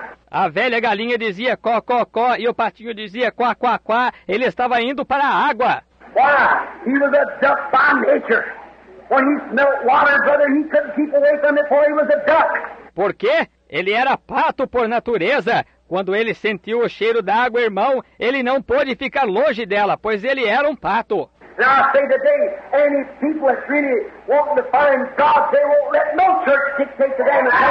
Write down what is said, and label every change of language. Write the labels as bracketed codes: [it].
[pt] A velha galinha dizia có, có, có, e o patinho dizia quá, quá, quá, ele estava indo para a água. [en] Why? He was a duck by nature. When he smelled water, brother, he couldn't keep away from it, for he was a duck. [pt] Por quê? Ele era pato por natureza. Quando ele sentiu o cheiro da água, irmão, ele não pôde ficar longe dela, pois ele era um pato. [en] Now I say today, any people that really want to find God, they won't let no church dictate to them.